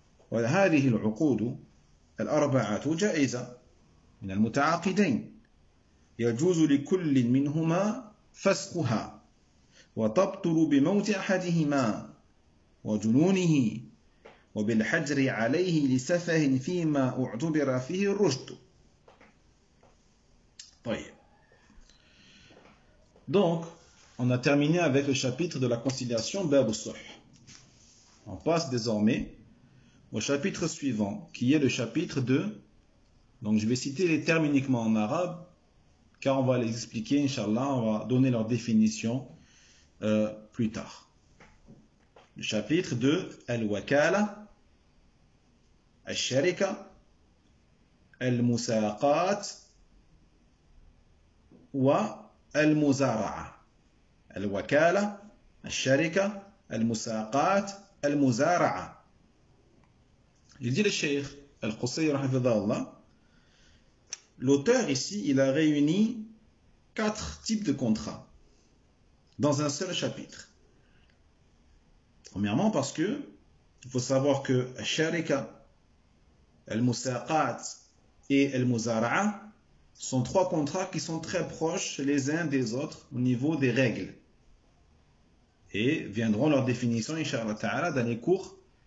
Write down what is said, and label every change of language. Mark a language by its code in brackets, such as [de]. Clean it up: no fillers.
[ar] وهذه العقود الأربعة جائزة من المتعاقدين، يجوز لكل منهما فسقها وتبطل بموت أحدهما وجنونه وبالحجر عليه لسفه فيما اعتبر فيه الرشد. [fr] Donc, on a terminé avec le chapitre de la conciliation Bab al-Sulh. On passe désormais au chapitre suivant, qui est le chapitre 2. Donc, je vais citer les termes uniquement en arabe, car on va les expliquer, Inch'Allah, on va donner leur définition plus tard. Le chapitre 2, Al-Wakala, Al-Sharika, Al-Musaqat, والمزارعة. [ar] الوكالة، الشركة، المساقات، المزارعة. يقول الشيخ القصي رحمه الله: [fr] l'auteur ici il a réuni quatre types de contrats dans un seul chapitre. Premièrement parce que il faut savoir que الشركة، المساقات et المزارعة sont trois contrats qui sont très proches les uns des autres au niveau des règles. Et viendront leurs définitions, Inch'Allah Ta'ala, dans les cours